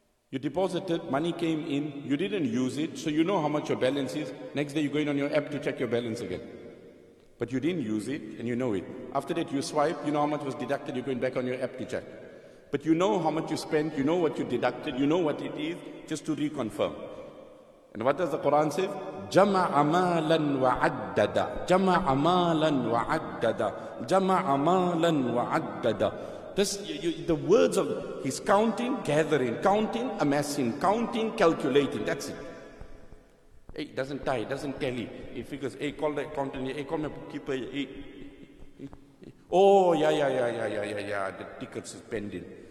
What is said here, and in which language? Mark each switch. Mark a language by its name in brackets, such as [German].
[English] You deposited, money came in, you didn't use it, so you know how much your balance is. Next day you go in on your app to check your balance again. But you didn't use it, and you know it. After that you swipe, you know how much was deducted, you're going back on your app to check. But you know how much you spent, you know what you deducted, you know what it is, just to reconfirm. And what does the Quran say? [Arabic] جَمَعَ مَالًا وَعَدَّدَ جَمَعَ مَالًا وَعَدَّدَ جَمَعَ مَالًا وَعَدَّدَ. [English] This, the words of, he's counting, gathering, counting, amassing, counting, calculating, that's it. Hey, doesn't tie, doesn't tally. He figures, hey, call the accountant, hey, call my bookkeeper. Hey. Oh, yeah. The tickets is pending.